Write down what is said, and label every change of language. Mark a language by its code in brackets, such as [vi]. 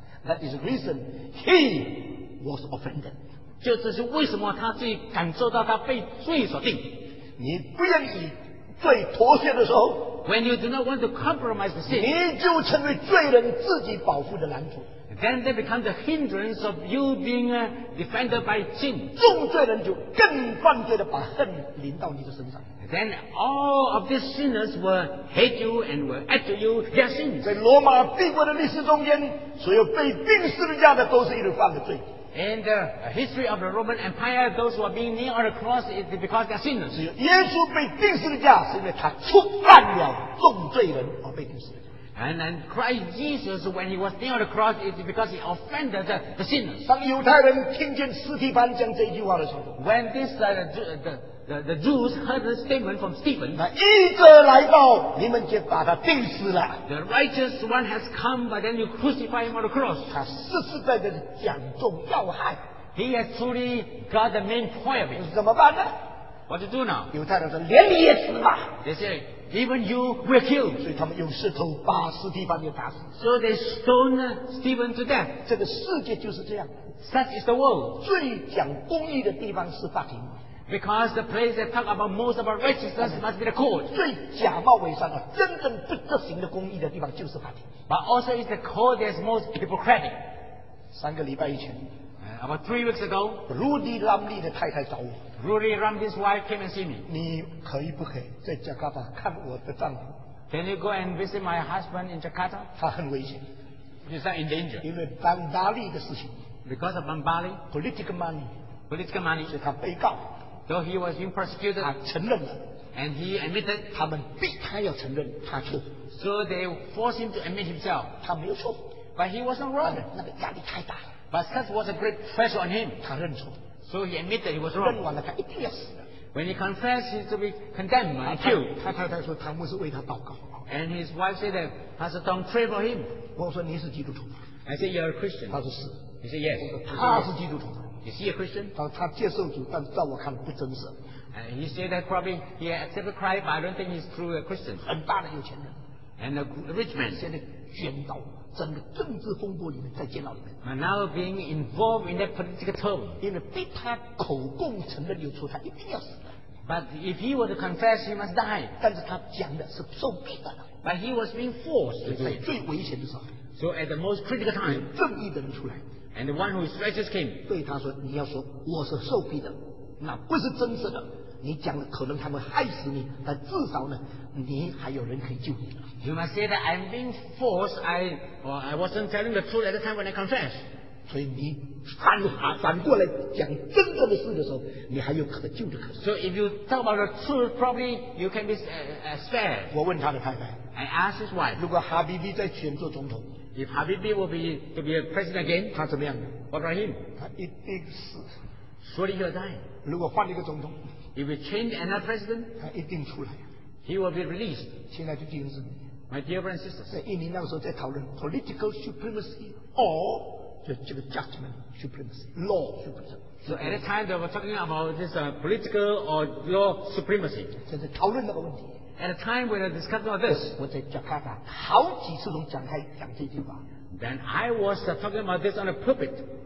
[en] That is the reason he was offended. [zh] 就这是为什么他自己感受到他被罪所定。你不愿意罪妥协的时候， [en] When you do not want to compromise the sin, [zh] 你就成为罪人自己保护的拦阻。 [en] Then they become the hindrance of you being defended by sin. [zh] 重罪人就更犯罪的把恨临到你的身上。 [en] Then all of these sinners will hate you and will add to you their sins. [zh] 在罗马帝国的历史中间，所有被钉十字架的都是因为犯了罪。 [en] And the history of the Roman Empire, those who are being kneeled on the cross is because they are sinners. [zh] 只有耶稣被钉十字架，是因为他触犯了重罪人而被钉死。 [en] And Christ Jesus, when he was nailed on the cross, it's because he offended the sinners. [zh] 当犹太人听见斯提凡讲这句话的时候， [en] When this, the Jews heard the statement from Stephen, [zh] 那义者来到，你们却把他钉死了。 [en] The righteous one has come, but then you crucify him on the cross. [zh] 他实实在在讲中要害。 [en] He has truly got the main point of it. [zh] 怎么办呢？ [en] What to do now? [zh] 犹太人说，连你也死吧。 [en] They say,Even you were killed. [zh] 所以他们用石头把斯蒂芬给打死。 [en] So they stone Stephen to death. [zh] 这个世界就是这样。 [en] Such is the world. [zh] 最讲公义的地方是法庭。 [en] Because the place that talk about most about righteousness must be the court. [zh] 最假冒伪善的、真正不执行的公义的地方就是法庭。 [en] But also is the court that's most hypocritic. [zh] 三个礼拜以前。 [en] About 3 weeks ago, [zh] Rudy Ramlee 的太太找我。 [en] Rudy Ramlee's wife came and see me. [zh] 你可以不可以在加加达看我的丈夫？ [en] Can you go and visit my husband in Jakarta? [zh] 他很危险。 [en] Is that in danger? [zh] 因为 Bambali 的事情。 [en] Because of Bambali? Political money. Political money. [zh] 所以他被告。 [en] So he was being persecuted. [zh] 他承认了。 [en] And he admitted. [zh] 他们逼他要承认，他错。 [en] So they forced him to admit himself. [zh] 他没有错。 [en] But he wasn't wrong. [zh] 那个压力太大了。 [en] But such was a great pressure on him. [zh] 他认错。 [en] So he admitted that he was wrong. [zh] 认完了他一定要死。 [en] When he confessed, he to be condemned and killed. [zh] 他太太说他们是为他祷告。 [en] And his wife said that Pastor Tom pray for him. [zh] 我说你是基督徒。 [en] I said you are a Christian. [zh] 他说是。 [en] He said yes. [zh] 他是基督徒。 [en] Is he a Christian? [zh] 他说他接受主，但在我看不真实。 [en] And he said that probably he accepted Christ, but I don't think he's truly a Christian. [zh] 很大的有钱人。 [en] And a rich man. [zh] 现在宣道。整个政治风波里面，在监牢里面。 [en] And now being involved in that political term, [zh] 因为逼他口供承认有错，他一定要死的。 [en] But if he were to confess, he must die. [zh] 但是他讲的是受逼的。 [en] But he was being forced. [zh] 在最危险的时候。 [en] So at the most critical time, [zh] 正义的人出来。 [en] And the one who is righteous came. [zh] 对他说：“你要说我是受逼的，那不是真实的。你讲了，可能他们害死你，但至少呢，你还有人可以救你。” [en] You must say that I'm being forced. I wasn't telling the truth at the time when I confess. [zh] 所以你反过来讲真正的事的时候，你还有可救的可能。 [en] So if you talk about the truth, probably you can be spared. [zh] 我问他的太太。 [en] I asked his wife. [zh] 如果哈比比再选做总统 [en] ，If Habibi will be to be a president again, [zh] 他怎么样 [en] ？What about him? [zh] 他一定死。 [en] Surely he'll die. [zh] 如果换一个总统。 [en] If we change another president, [zh] 他一定出来。 [en] He will be released. [zh] 现在就进行是。 [en] My dear brothers and sisters, [zh] 在印尼那个时候在讨论 [en] political supremacy or [zh] 就这个 [en] judgment supremacy, law supremacy. So at that time they were talking about this political or law supremacy. [zh] 就是讨论那个问题。 [en] At a time when they discussed about this, [zh] 我在加拿大好几次都讲这句话。 [en] Then I was talking about this on the pulpit.